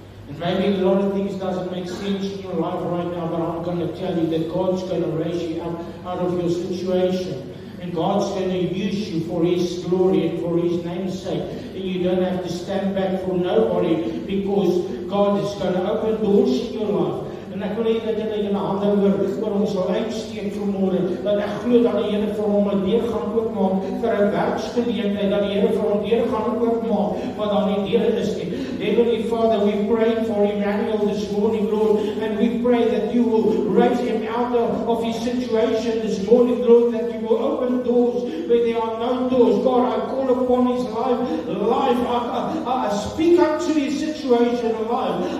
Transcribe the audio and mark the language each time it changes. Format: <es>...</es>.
<en>And maybe a lot of things doesn't make sense in your life right now, but I'm going to tell you that God's going to raise you up out of your situation. And God's going to use you for His glory and for His name's sake. And you don't have to stand back for nobody, because God is going to open doors in your life.</en> <af>En ek wil hê dat jy in 'n ander woord vir ons sal uitsteek vanmôre, dat ek glo dat die Here vir hom 'n deur gaan oopmaak vir 'n werksgeleentheid, dat die Here vir hom deur gaan oopmaak wat daar nie deur is nie.</af> <en>Heavenly Father, we pray for Emmanuel this morning, Lord, and we pray that you will raise him out of his situation this morning, Lord, that you will open doors where there are no doors. God, I call upon his life. I speak up to his situation, life.</en>